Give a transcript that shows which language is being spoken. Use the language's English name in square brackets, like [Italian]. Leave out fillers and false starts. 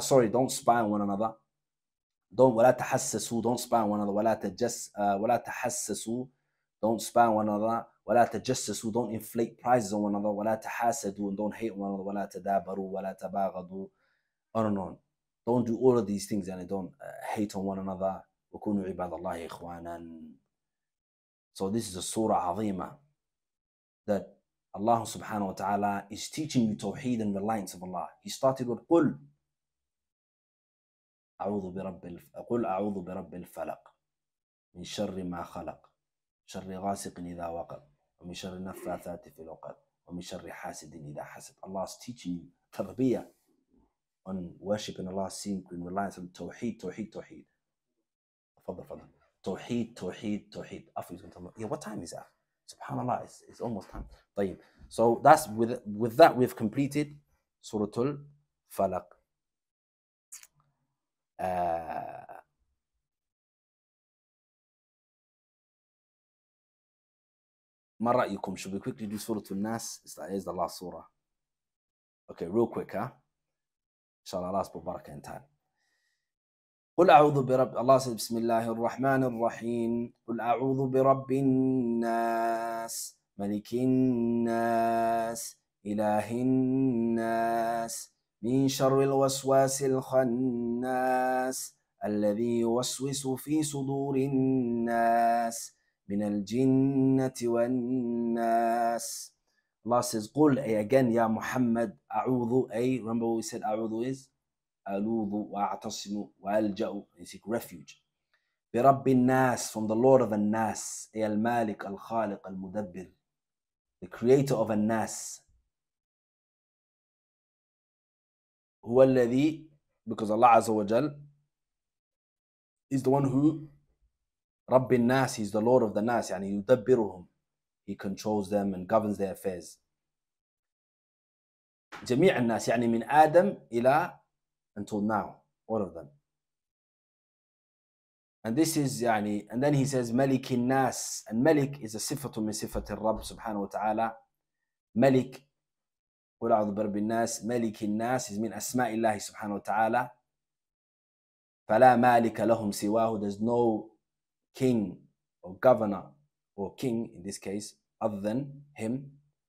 [English] Sorry, don't spy on one another. Don't, [Arabic] ولا تحسسوا, [English] don't spy on one another, ولا تجس, ولا تحسسوا, don't spy on one another, [Arabic] ولا تجسسوا, [English] don't inflate prizes on one another, [Arabic] ولا تحاسدوا, [English] and don't hate on one another, [Arabic] ولا تدابروا, ولا تباغضوا, [English] on and on. Don't do all of these things, and don't hate on one another. [Arabic] وكونوا عباد الله إخوانا. [English] So this is a surah azima that Allah subhanahu wa ta'ala is teaching you tawheed and reliance of Allah. He started with [Arabic] قل أعوذ برب قل أعوذ برب الفلق من شر ما خلق شر غاسق إذا وقب ومن شر النفاثات في العقد ومن شر حاسد إذا حسد. [English] Allah is teaching you tarbiyah on worshiping Allah, seeing and reliance on tawheed, tawheed, tawheed. Fadl, fadl. Tawheed, tawheed, tawheed. Yeah, what time is that? Subhanallah, it's almost time. [Arabic] طيب. [English] So that's with that we've completed Surah Al-Falaq. [Arabic] ما رأيكم? [English] Should we quickly do Surah Al-Nas? Is the last surah? Okay, real quick, huh? Inshallah, Allah's put barakah in time. [Arabic] قل أعوذ برب الله سبحانه بسم الله الرحمن الرحيم قل أعوذ برب الناس ملك الناس إله الناس من شر الوسواس الخناس الذي يوسوس في صدور الناس من الجنة والناس. الله says قل أي again يا محمد أعوذ أي [English] remember what we said [Arabic] أعوذ is أَلُوذُ وَأَعْتَصِمُ وَأَلْجَأُ [English] and seek refuge. بِرَبِّ النَّاسِ from the Lord of the Nas, [Arabic] أي المالك الخالق المدبر [English] the creator of the Nas. هو الذي because Allah عز وجل is the one who رب الناس he's the Lord of the Nas [Arabic] يعني يدبرهم [English] he controls them and governs their affairs. [Arabic] جميع الناس يعني من آدم إلى [English] until now, all of them. And this is يعني, and then he says ملك الناس, and ملك is a [Arabic] صفه من صفات الرب سبحانه وتعالى. ملك قل أعوذ برب الناس ملك الناس [English] is [Arabic] من أسماء الله سبحانه وتعالى. فلا مالك لهم سواه, [English] there's no king or governor or king in this case other than him.